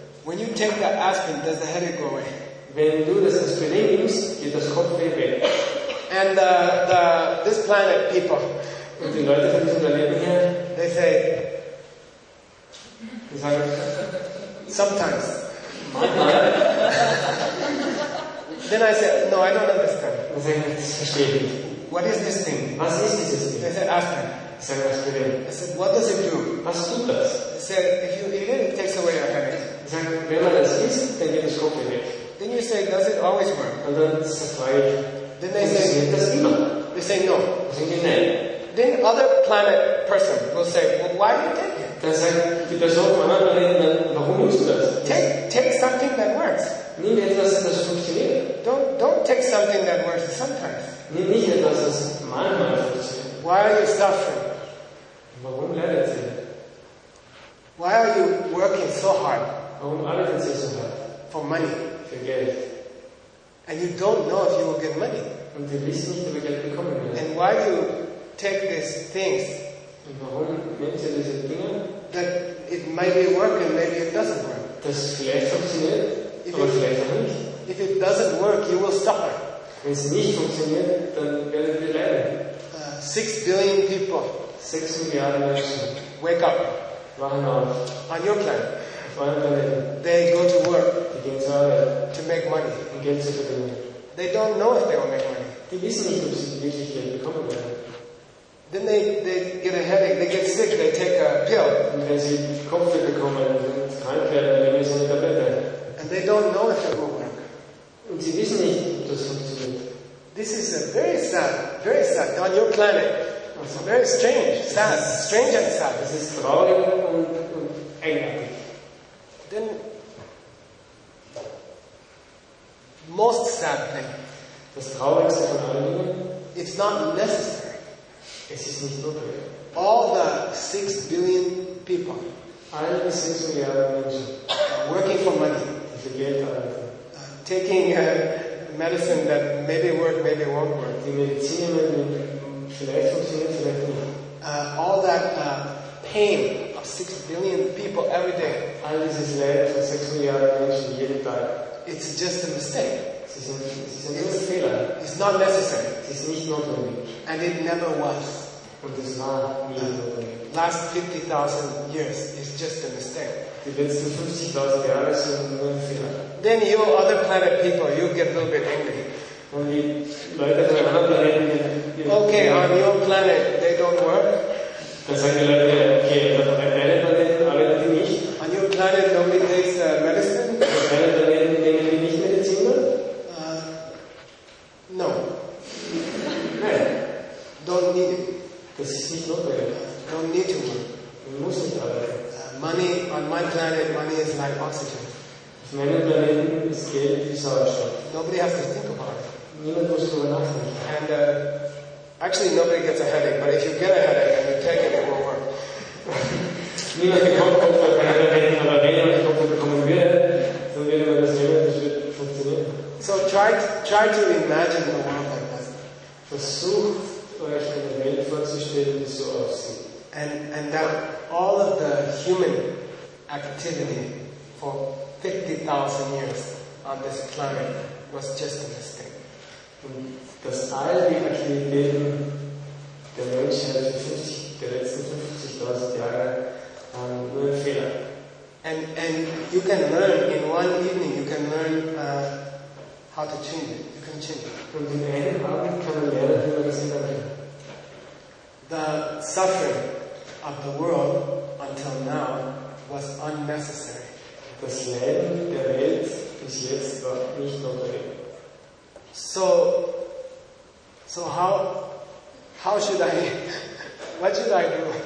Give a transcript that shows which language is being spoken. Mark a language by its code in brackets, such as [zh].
[en] When you take the aspirin, does the headache go away? [de] Wenn du das Aspirin nimmst, geht das Kopfweh weg. [en] And this planet people. [de] Und die Leute von diesem Planeten hier. [en] They say. [de] Die sagen. [en] Sometimes. Then I say, no, I don't understand. [de] Und sagen, das verstehe ich nicht. [en] What is this thing? [de] Was ist dieses Ding? [en] They say aspirin. [de] Aspirin. [en] I said, what does it do? [de] Was tut das? [en] I said, if you eat it, it takes away your headache. [de] Wenn man das isst, dann geht das Kopfweh weg. [en] Then you say, does it always work? [de] Und dann ist das [en] Then they say, [de] das immer. [en] They say, no. [de] Sagen die, nein. [en] Then other planet person will say, well, why do you take it? [de] Dann sagt die Person von anderen Planeten, warum musst du das? [en] Take something that works. [de] Nimm etwas, das funktioniert. [en] Don't take something that works sometimes. [de] Nimm nicht etwas, das manchmal funktioniert. [en] Why are you suffering? [de] Warum leidest du? [en] Why are you working so hard? [de] Warum arbeitest du so hart? [en] For money. [de] Für Geld. [en] And you don't know if you will get money. [de] Und du weißt nicht, ob du Geld bekommen wirst. [en] And why do you take these things? [de] Warum nimmst du diese Dinge? [en] That it might be working, maybe it doesn't work. [de] Das vielleicht funktioniert, aber vielleicht auch nicht. [en] If it doesn't work, you will suffer. [de] Wenn es nicht funktioniert, dann werden wir leiden. [en] 6 billion people. [de] 6 Milliarden Menschen. [en] Wake up. [de] Wachen auf. [en] On your planet. [de] Auf meinem Planeten. [en] They go to work. [de] Die gehen zur Arbeit. [en] To make money. [de] Und Geld zu verdienen. [en] They don't know if they will make money. [de] Die wissen nicht, ob sie wirklich Geld bekommen werden. [en] Then they get a headache, they get sick, they take a pill. [de] Und wenn sie Kopfweh bekommen und krank werden, dann nehmen sie eine Tablette. [en] And they don't know if it will work. [de] Und sie wissen nicht, ob das funktioniert. [en] This is a very sad on your planet. It's very strange, sad, strange and sad. [de] Es ist traurig und eigenartig. [en] Then, most sad thing. [de] Das traurigste von allen Dingen. [en] It's not necessary. [de] Es ist nicht notwendig. [en] All the 6 billion people. [de] Alle 6 Milliarden Menschen. [en] Working for money. [de] Die für Geld arbeiten. [en] Taking medicine that maybe work, maybe won't work. [de] Die Medizin, vielleicht funktioniert, vielleicht nicht. [en] All that pain of 6 billion people every day. [de] All dieses Leid von 6 Milliarden Menschen jeden Tag. [en] It's just a mistake. [de] Es ist ein Fehler. [en] It's not necessary. [de] Es ist nicht notwendig. [en] And it never was. [de] Und es war nie notwendig. [en] Last 50,000 years is just a mistake. [de] Die letzten 50,000 Jahre sind nur ein Fehler. [en] Then you other planet people, you get a little bit angry. [de] Und die Leute von anderen Planeten. [en] Okay, on your planet they don't work. [de] Dann sagen die Leute, okay, auf deinem Planeten arbeiten die nicht. [en] On your planet nobody takes medicine. [de] Auf deinem Planeten nehmen die nicht Medizin. [en] No. [de] Nein. [en] Don't need it. [de] Das ist nicht notwendig. [en] Don't need to work. [de] Du musst nicht arbeiten. [en] Money, on my planet, money is like oxygen. [de] Auf meinem Planeten ist Geld wie Sauerstoff. [en] Nobody has to think about it. [de] Niemand muss darüber nachdenken. [en] And actually nobody gets a headache, but if you get a headache and you take it, it won't work. [de] Niemand bekommt Kopfweh auf meinem Planeten, aber wenn jemand Kopfweh bekommen würde, dann würde man das nehmen, das würde funktionieren. [en] So try to imagine a world like this. [de] Versucht euch eine Welt vorzustellen, die so aussieht. [en] And that all of the human activity for 50,000 years on this planet was just a mistake. [de] Und dass all die Aktivitäten der Menschheit der letzten 50,000 Jahre nur ein Fehler. [en] And you can learn in one evening, you can learn how to change it. You can change it. [de] Und in einem Abend kann man lernen, wie man das ändert. [en] The suffering of the world until now was unnecessary. [de] Das Leiden der Welt bis jetzt war nicht notwendig. [en] So how should I, what should I do?